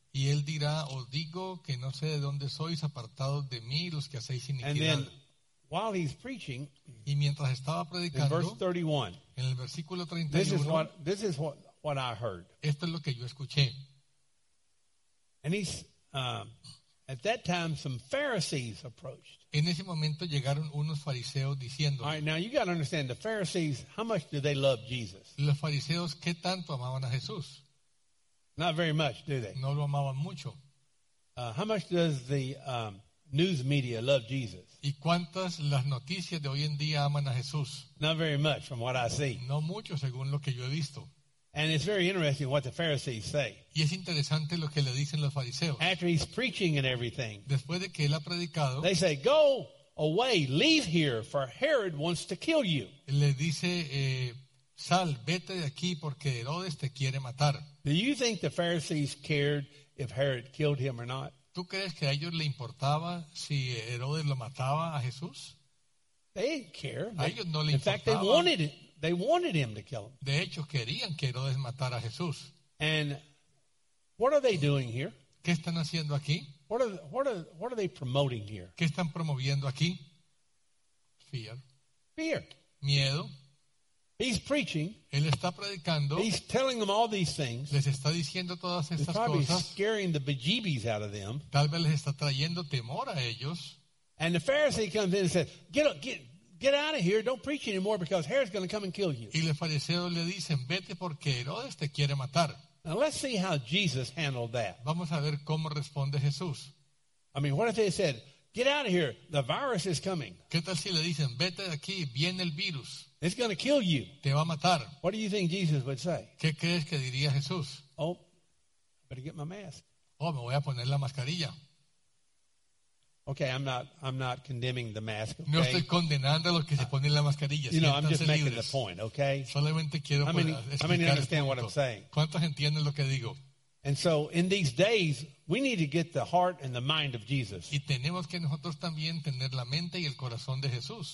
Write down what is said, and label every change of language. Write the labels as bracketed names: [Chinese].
[Spanish] Y él dirá, os digo que no sé de dónde sois apartados de mí los que hacéis iniquidad. [English] And then, while he's preaching, [Spanish] y mientras estaba predicando, [English] in verse 31, [Spanish] en el versículo 31, [English] this is what I heard. [Spanish] Esto es lo que yo escuché. [English] And he's, at that time, some Pharisees approached. [Spanish] En ese momento llegaron unos fariseos diciendo, [English] all right, now you got to understand, the Pharisees, how much do they love Jesus? [Spanish] Los fariseos, ¿qué tanto amaban a Jesús? [English] Not very much, do they? [Spanish] No lo amaban mucho. [English] How much does the news media love Jesus? [Spanish] ¿Y cuántas las noticias de hoy en día aman a Jesús? [English] Not very much, from what I see. [Spanish] No mucho, según lo que yo he visto. [English] And it's very interesting what the Pharisees say. [Spanish] Y es interesante lo que le dicen los fariseos. [English] After he's preaching and everything, [Spanish] después de que él ha predicado, [English] they say, "Go away, leave here, for Herod wants to kill you." [Spanish] Le dice, sal, vete de aquí porque Herodes te quiere matar. [English] Do you think the Pharisees cared if Herod killed him or not? [Spanish] ¿Tú crees que a ellos le importaba si Herodes lo mataba a Jesús? [English] They didn't care. [Spanish] A ellos no le importaba. [English] In fact, they wanted him to kill him. [Spanish] De hecho, querían que Herodes matara a Jesús. [English] And what are they doing here? [Spanish] ¿Qué están haciendo aquí? [English] What are they promoting here? [Spanish] ¿Qué están promoviendo aquí? [English] Fear. Fear. [Spanish] Miedo. [English] He's preaching. [Spanish] Él está predicando. [English] He's telling them all these things. [Spanish] Les está diciendo todas estas cosas. [English] He's probably scaring the bejeebies out of them. [Spanish] Tal vez les está trayendo temor a ellos. [English] And the Pharisee comes in and says, get out of here. Don't preach anymore because Herod's going to come and kill you. [Spanish] Y los fariseos le dicen, vete porque Herodes te quiere matar. [English] Now let's see how Jesus handled that. [Spanish] Vamos a ver cómo responde Jesús. [English] I mean, what if they said, get out of here. The virus is coming. [Spanish] ¿Qué tal si le dicen, vete de aquí, viene el virus? [English] It's going to kill you. [Spanish] Te va a matar. [English] What do you think Jesus would say? [Spanish] ¿Qué crees que diría Jesús? [English] Oh, better get my mask. [Spanish] Oh, me voy a poner la mascarilla. [English] Okay, I'm not condemning the mask. Okay? [Spanish] No estoy condenando a los que se ponen la mascarilla. [English] You know, I'm just [Spanish] libres. [English] Making the point. Okay. [Spanish] Solamente quiero explicar. [English] How many understand [Spanish] este [English] what I'm saying? [Spanish] ¿Cuántos entienden lo que digo? [English] And so, in these days, we need to get the heart and the mind of Jesus. [Spanish] Y tenemos que nosotros también tener la mente y el corazón de Jesús.